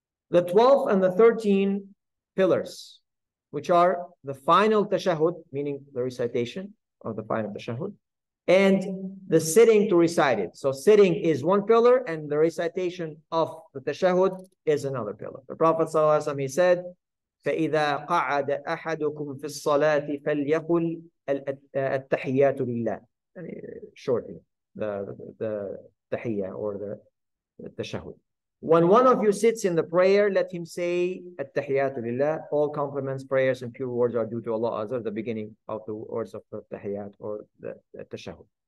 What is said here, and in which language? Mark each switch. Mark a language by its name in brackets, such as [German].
[English] The 12 and the 13 pillars, which are the final tashahud, meaning the recitation of the final tashahud, and the sitting to recite it. So sitting is one pillar, and the recitation of the tashahud is another pillar. The Prophet ﷺ, he said, [Arabic] فَإِذَا قَعَدَ أَحَدُكُمْ فِي الصَّلَاةِ فَلْيَقُلْ التَّحِيَّاتُ لِلَّهِ. [English] Shortly, the tahiyya or the tashahud. When one of you sits in the prayer, let him say At-Tahiyyatu Lillah. All compliments, prayers, and pure words are due to Allah Azza, the beginning of the words of the Tahiyyat or the Tashahud.